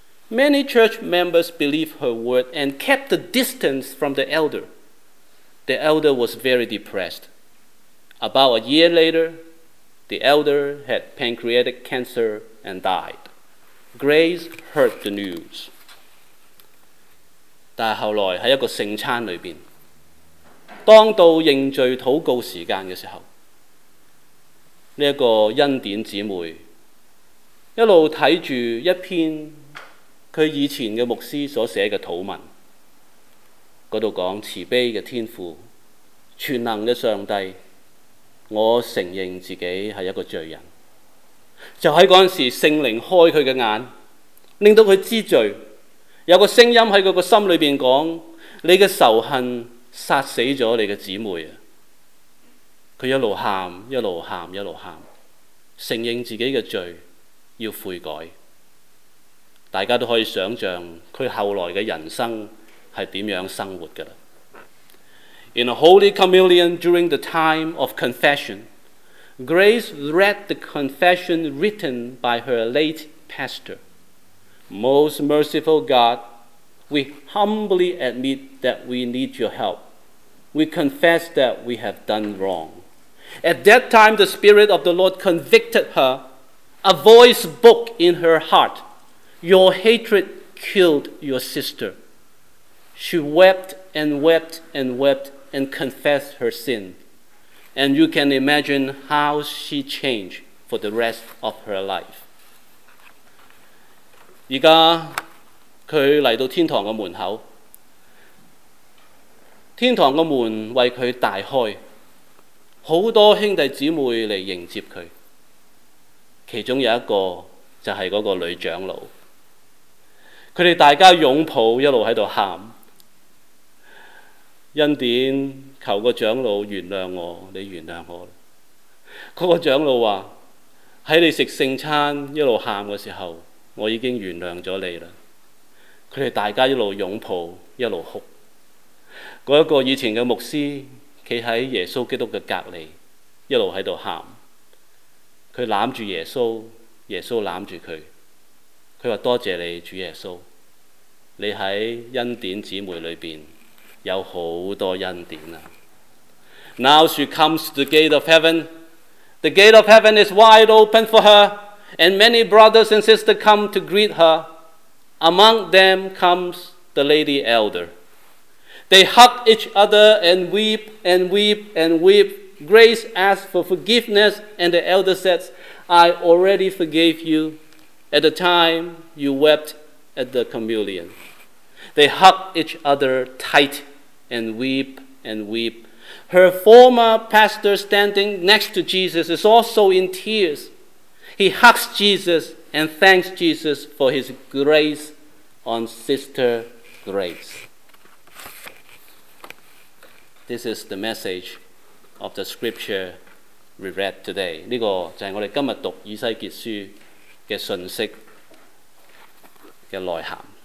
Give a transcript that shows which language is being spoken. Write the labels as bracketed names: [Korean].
[English] Many church members believed her word and kept the distance from the elder. The elder was very depressed. About a year later, the elder had pancreatic cancer and died. Grace heard the news. [Chinese] 但后来在一个圣餐里面，当到认罪祷告时间的时候，这个恩典姊妹一路看着一篇她以前的牧师所写的祷文，那里讲慈悲的天父，全能的上帝，我承认自己是一个罪人。就在那时候，圣灵开他的眼，令到他知罪，有个声音在他的心里面说，你的仇恨杀死了你的姊妹。他一路哭一路哭一路哭，承认自己的罪，要悔改。大家都可以想象他后来的人生是怎样生活的。 [English] In a Holy Communion during the time of confession, Grace read the confession written by her late pastor. Most merciful God, we humbly admit that we need your help. We confess that we have done wrong. At that time, the Spirit of the Lord convicted her. A voice spoke in her heart. Your hatred killed your sister. She wept and wept and wept. And confess her sin. And you can imagine how she changed for the rest of her life. [Chinese] 现在她来到天堂的门口，天堂的门为她大开，很多兄弟姊妹来迎接她，其中有一个就是那个女长老，她们大家拥抱，一路在那里哭，恩典，求个长老原谅我，你原谅我。那个长老说，在你吃圣餐一路喊的时候，我已经原谅了你了。他们大家一路拥抱一路哭。那个以前的牧师站在耶稣基督的隔离，一路在那里喊，他揽着耶稣，耶稣揽着他，他说多谢你主耶稣，你在恩典姊妹里面有好多恩典啊。 [English] Now she comes to the gate of heaven. The gate of heaven is wide open for her, and many brothers and sisters come to greet her. Among them comes the lady elder. They hug each other and weep and weep and weep. Grace asks for forgiveness, and the elder says, I already forgave you. At the time, you wept at the communion. They hug each other tight and weep. Her former pastor standing next to Jesus is also in tears. He hugs Jesus and thanks Jesus for his grace on Sister Grace. This is the message of the scripture we read today. [Chinese] 这个就是我们今天读以西结书的信息的内涵。